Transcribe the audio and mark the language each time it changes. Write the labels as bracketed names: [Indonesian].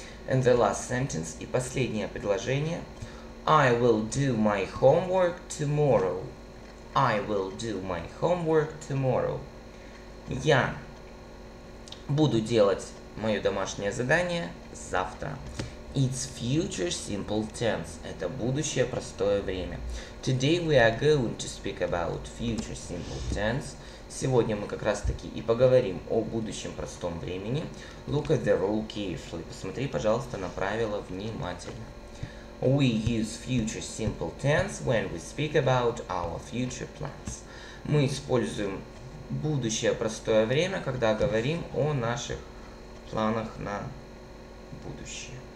[English] And the last sentence, [Russian] и последнее предложение. [English] I will do my homework tomorrow. I will do my homework tomorrow. [Russian] Я буду делать мое домашнее задание завтра. [English] It's future simple tense. [Russian] Это будущее простое время. [English] Today we are going to speak about future simple tense. [Russian] Сегодня мы как раз таки и поговорим о будущем простом времени. [English] Look at the rule carefully. [Russian] Посмотри, пожалуйста, на правила внимательно. [English] We use future simple tense when we speak about our future plans. [Russian] Мы используем будущее простое время, когда говорим о наших планах на будущее.